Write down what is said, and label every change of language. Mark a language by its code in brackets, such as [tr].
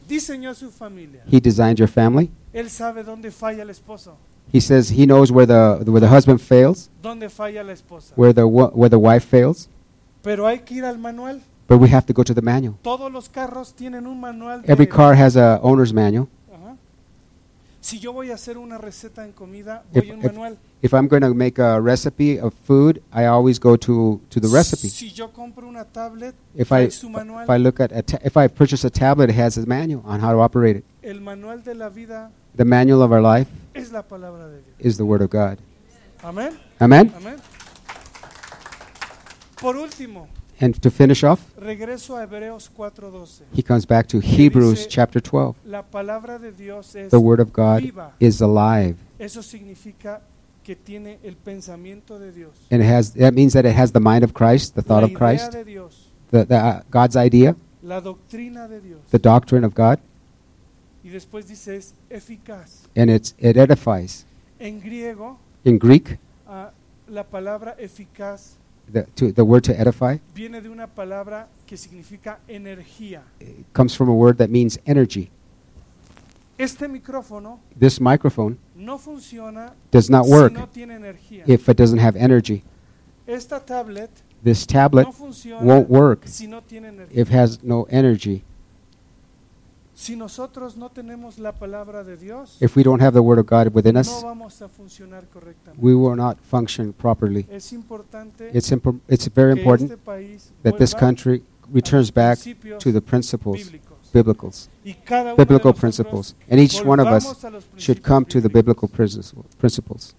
[es] Diseñó su familia. [en] He designed your family. [es] Él sabe dónde falla el esposo. [en] He says he knows where the husband fails. [es] Dónde falla la esposa. [en] Where the wife fails. [es] Pero hay que ir al manual. [en] But we have to go to the manual. [es] Todos los carros tienen un manual. [en] Every car has a owner's manual. [es] Si yo voy a hacer una receta en comida, voy a un manual. [en] If I'm going to make a recipe of food, I always go to the recipe. [es] Si yo compro una tablet, [en] if I purchase a tablet, it has a manual on how to operate it. [es] El manual de la vida, [en] the manual of our life, [es] es la palabra de Dios. [en] Is the word of God. Amen. Amen. Amen. [es] Por último, [en] and to finish off, [es] regreso a Hebreos 4:12. [en] He comes back to Hebrews chapter 12. [es] La palabra de Dios es [en] the word of God [es] viva. [en] Is alive. [es] Eso significa que tiene el pensamiento de Dios. [en] And it has, that means that it has the mind of Christ, the thought [es] la idea [en] of Christ, [es] de Dios. [en] The God's idea, [es] la doctrina de Dios. [en] The doctrine of God. [es] Y después dice es eficaz. [en] And it edifies. [es] En griego, [en] in Greek, [es] la palabra eficaz. [en] The word to edify [es] viene de una palabra que significa energía. [en] It comes from a word that means energy. [es] Este micrófono, [en] this microphone, [es] no funciona, [en] does not work [es] si no tiene energía. [en] If it doesn't have energy. [es] Esta tablet, [en] this tablet, [es] no funciona, [en] won't work [es] si no tiene energía. [en] If it has no energy. [es] Si nosotros no tenemos la palabra de Dios, [en] if we don't have the word of God within us, [es] no vamos a funcionar correctamente. [en] We will not function properly. [es] Es importante, [en] it's very important [es] este país [en] that this country returns back to the principles, [es] bíblicos. [en] Biblical principles. And each one of us should come to the biblical principles.